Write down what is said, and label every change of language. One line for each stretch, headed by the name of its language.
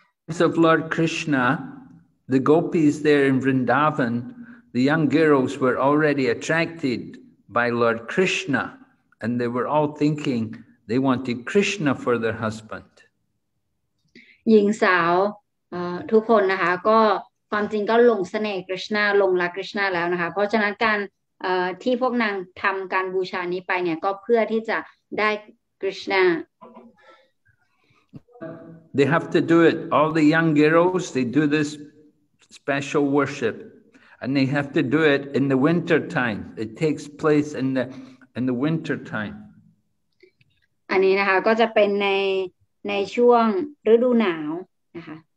English: So Lord KrishnaThe gopis there in Vrindavan, the young girls were already attracted by Lord Krishna, and they were all thinking they wanted Krishna for their husband.
Thai: หญิงสาวทุกคนนะคะก็ความจริงก็หลงเสน่ห์คริสนาหลงรักคริสนาแล้วนะคะเพราะฉะนั้นการที่พวกนางทำการบูชานี้ไปเนี่ยก็เพื่อที่จะได้คริสนา
English: They have to do it. All the young girls, they do this special worship. And they have to do it in the winter time. It takes place in the winter time.
Thai: อันนี้นะคะก็จะเป็นในช่วงฤดูหนาวนะคะ